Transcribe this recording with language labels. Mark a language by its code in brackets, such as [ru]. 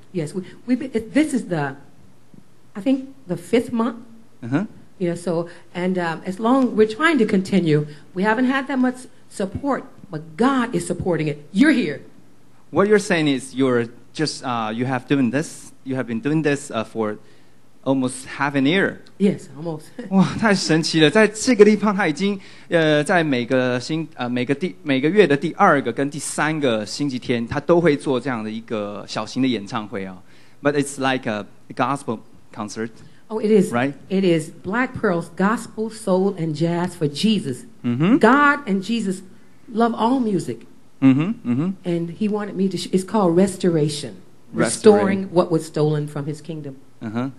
[en] Yes, this is the, I think, the fifth month. Uh-huh. Yeah, so, and as long as we're trying to continue, we haven't had that much support, but God is supporting it. You're here. What you're saying is you're just, you have been doing this for... Almost half an year. Yes, almost. [zh] 哇，太神奇了！在这个地方，他已经在每个月的第二个跟第三个星期天，他都会做这样的一个小型的演唱会啊。 [en] But it's like a gospel concert. Oh, it is. Right? It is Black Pearl's gospel, soul, and jazz for Jesus. Mm-hmm. God and Jesus love all music. Mm-hmm. Mm-hmm. And he wanted me to. It's called restoration. Restoring what was stolen from his kingdom. Uh-huh.